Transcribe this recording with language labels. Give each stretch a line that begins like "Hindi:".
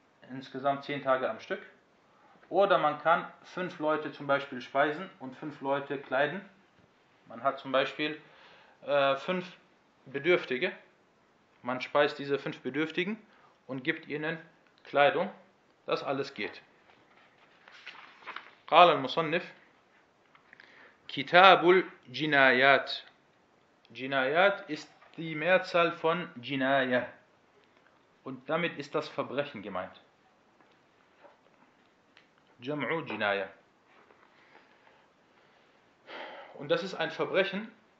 German: Insgesamt 10 Tage am Stück. Oder man kann 5 Leute zum Beispiel speisen und 5 Leute kleiden. Man hat zum Beispiel 5 Bedürftige, man speist diese 5 Bedürftigen und gibt ihnen Kleidung, das alles geht.
Arabic: قال المصنف كتاب الجنايات.
German: Jinayat ist die Mehrzahl von Jinaya und damit ist das Verbrechen gemeint.
Arabic: Jam'u Jinaya.
German: Und das ist ein Verbrechen.